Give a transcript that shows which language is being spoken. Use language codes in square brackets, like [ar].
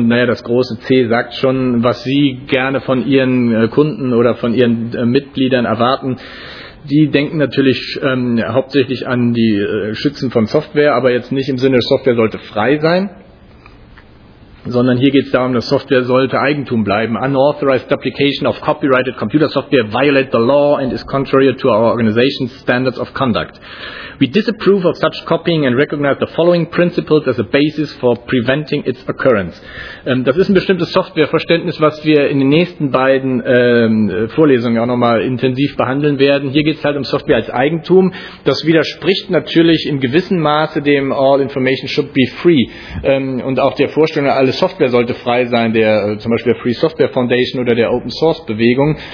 [de] Und naja, das große C sagt schon, was sie gerne von ihren Kunden oder von ihren Mitgliedern erwarten. Die denken natürlich hauptsächlich an die Schützen von Software, aber jetzt nicht im Sinne, Software sollte frei sein. Sondern hier geht es darum, dass Software sollte Eigentum bleiben. [en] Unauthorized application of copyrighted computer software violates the law and is contrary to our organization's standards of conduct. We disapprove of such copying and recognize the following principles as a basis for preventing its occurrence. [de] Das ist ein bestimmtes Softwareverständnis, was wir in den nächsten beiden Vorlesungen auch nochmal intensiv behandeln werden. Hier geht es halt um Software als Eigentum. Das widerspricht natürlich in gewissem Maße dem [en] All Information Should Be Free [de] und auch der Vorstellung, alle Software sollte frei sein, zum Beispiel der Free Software Foundation oder der Open Source Bewegung.